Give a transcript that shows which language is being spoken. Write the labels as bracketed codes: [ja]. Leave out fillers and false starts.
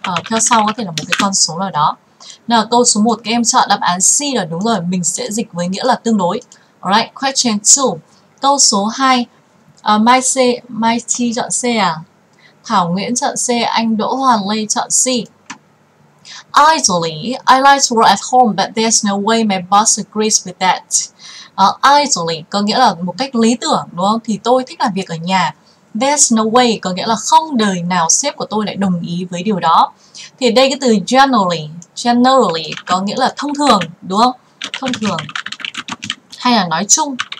[vi] Theo sau có thể là một cái con số nào đó. Nào, câu số 1 các em chọn đáp án C là đúng rồi. Mình sẽ dịch với nghĩa là tương đối. [en] Alright, question 2. [vi] Câu số 2. Mai Chi chọn C à? Thảo Nguyễn chọn C, anh Đỗ Hoàng Lê chọn C. [en] Idly, I like to work at home but there's no way my boss agrees with that. [vi] Idly có nghĩa là một cách lý tưởng, đúng không? Thì tôi thích làm việc ở nhà. [en] There's no way [vi] có nghĩa là không đời nào sếp của tôi lại đồng ý với điều đó. Thì đây cái từ generally, generally có nghĩa là thông thường, đúng không? Thông thường. Hay là nói chung.